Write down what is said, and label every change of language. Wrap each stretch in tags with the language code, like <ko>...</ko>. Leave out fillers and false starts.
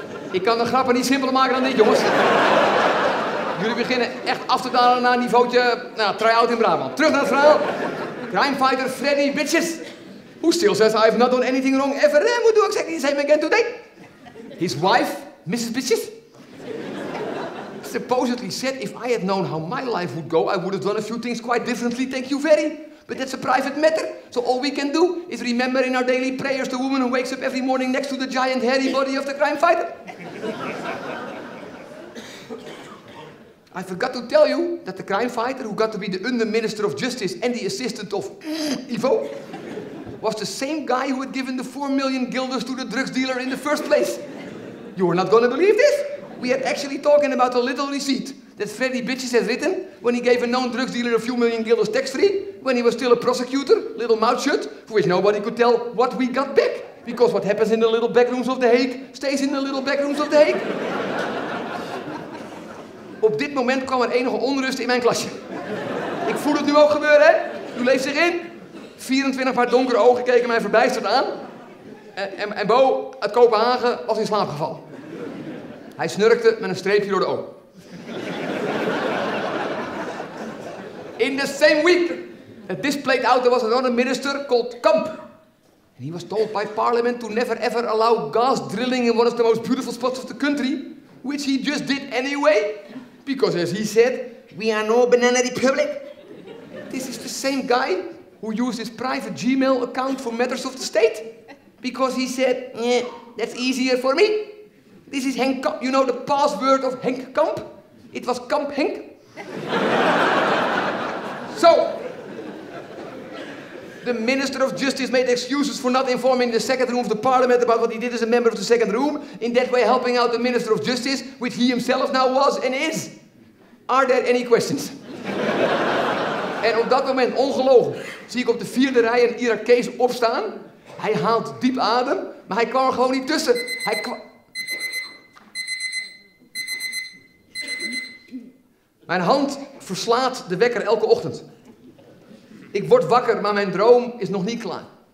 <nl>Ik kan de grappen niet simpeler maken dan dit, jongens. Jullie beginnen echt af te dalen naar een niveautje, nou, try-out in Brabant. Terug naar het verhaal.</nl> <en>Crime fighter</en> <nl>Freddy Bitches.</nl> <en>Who still says I've not done anything wrong ever. And we do exactly the same again today. His wife, Mrs. Bitches. Supposedly said, if I had known how my life would go, I would have done a few things quite differently, thank you very. But that's a private matter. So all we can do is remember in our daily prayers the woman who wakes up every morning next to the giant hairy body of the crime fighter. I forgot to tell you that the crime fighter, who got to be the under minister of justice and the assistant of Ivo, was the same guy who had given the 4 million guilders to the drugs dealer in the first place. You are not gonna believe this. We are actually talking about a little receipt that Freddy Bitches had written when he gave a known drugs dealer a few million guilders tax-free when he was still a prosecutor, little mouth shut, for which nobody could tell what we got back. Because what happens in the little backrooms of The Hague stays in the little backrooms of The Hague.</en> <nl>Op dit moment kwam er enige onrust in mijn klasje. Ik voel het nu ook gebeuren, hè? U leeft zich in. 24 paar donkere ogen keken mij verbijsterd aan. En Bo uit Kopenhagen was in slaap gevallen. Hij snurkte met een streepje door de oog.</nl> <en>In the same week that this played out, there was another minister called Kamp. And he was told by parliament to never ever allow gas drilling in one of the most beautiful spots of the country, which he just did anyway. Because as he said, we are no banana republic. This is the same guy who used his private Gmail account for matters of the state. Because he said, that's easier for me. This is Henk Kamp. You know the password of Henk Kamp? It was Kamp Henk. So, the Minister of Justice made excuses for not informing the second room of the parliament about what he did as a member of the second room, in that way helping out the Minister of Justice, which he himself now was and is. Are there any questions?</en> <nl>En op dat moment, ongelogen, zie ik op de vierde rij een Irakees opstaan. Hij haalt diep adem, maar hij kwam er gewoon niet tussen. Mijn hand verslaat de wekker elke ochtend. Ik word wakker, maar mijn droom is nog niet klaar.</nl>